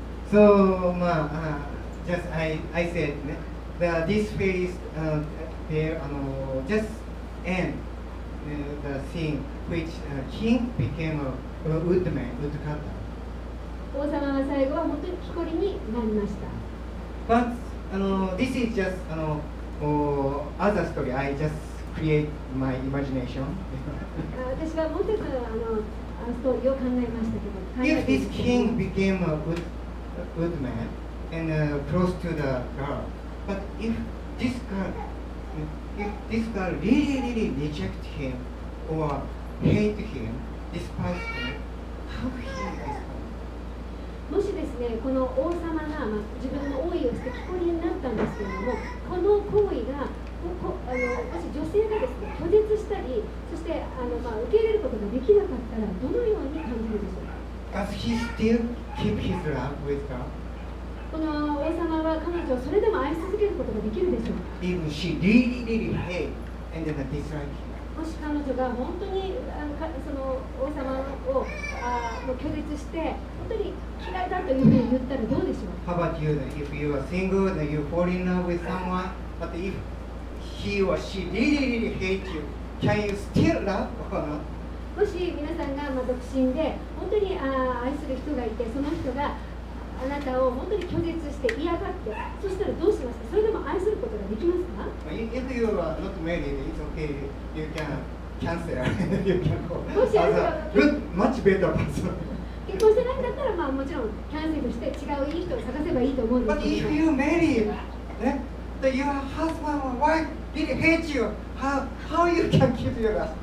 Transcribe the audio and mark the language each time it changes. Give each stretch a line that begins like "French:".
English: So, just I said, that this fairy tale just end the scene which king became a woodman, woodcutter.
Japanese: 王様は最後は本当に木こりになりました。
English: But this is just other story. I just create my imagination.
Japanese: 私はもう一つストーリーを考えましたけど。
English: If this king became a good man and close to the girl, but if this girl, if this girl really, really reject him or hate him, despise him, how he respond?
Japanese: もしですね、この王様が、まあ、自分の王位を捨て木こりになったんですけれども、この行為が、もし女性がですね、拒絶したり、そして受け入れることができなかったら、どのように感じるでしょうか。
English: Does he still keep his love with her?
Japanese: この王様は彼女をそれでも愛し続けることができるでしょうか。
English: Even she really, really hate and then dislike him.
Japanese: もし彼女が本当にその王様をもう拒絶して本当に嫌いだというふうに言ったらどうでしょう。
English: How about you? If you are single and you fall in love with someone, but if he or she really really hate you, can you still love or not?
Japanese: もし皆さんが独身で本当に愛する人がいて、その人があなたを本当に拒絶して嫌がって、そしたらどうしますか。それでも愛することができますか。
English: If you are not married, it's okay. You can cancel. You can go.
Japanese: もしあなたは
English: good, much better person.
Japanese: 結婚してないんだったら、まあ、もちろんキャンセルして違ういい人を探せばいいと思うんですけど。
English: But if you marry, that your husband or wife really hate you, how you can keep your love?